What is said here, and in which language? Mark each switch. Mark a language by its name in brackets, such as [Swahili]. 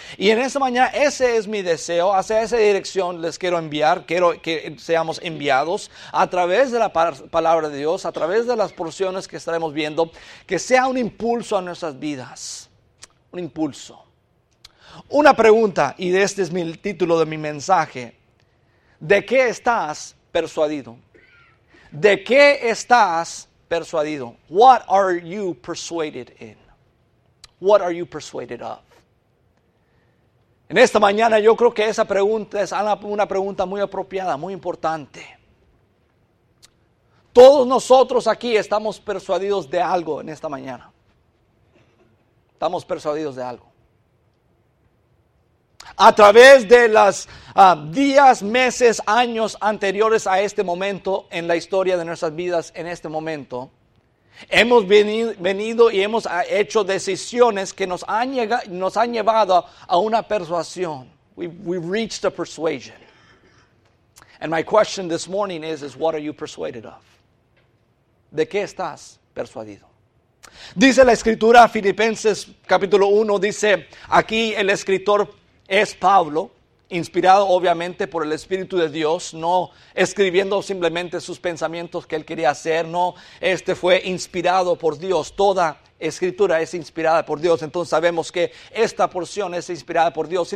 [Spanish] Y en esta mañana ese es mi deseo, hacia esa dirección les quiero enviar, quiero que seamos enviados a través de la palabra de Dios, a través de las porciones que estaremos viendo, que sea un impulso a nuestras vidas, un impulso. Una pregunta, y este es el título de mi mensaje: ¿de qué estás persuadido? ¿De qué estás persuadido? [English] What are you persuaded in? What are you persuaded of? [Spanish] En esta mañana yo creo que esa pregunta es una pregunta muy apropiada, muy importante. Todos nosotros aquí estamos persuadidos de algo en esta mañana. Estamos persuadidos de algo. A través de los días, meses, años anteriores a este momento en la historia de nuestras vidas, en este momento, hemos venido y hemos hecho decisiones que nos han llevado a una persuasión. [English] We've reached a persuasion. And my question this morning is what are you persuaded of? [Spanish] ¿De qué estás persuadido? Dice la escritura, Filipenses capítulo 1, dice aquí el escritor es Pablo, inspirado obviamente por el Espíritu de Dios, no escribiendo simplemente sus pensamientos que él quería hacer, no, este fue inspirado por Dios, toda escritura es inspirada por Dios, entonces sabemos que esta porción es inspirada por Dios.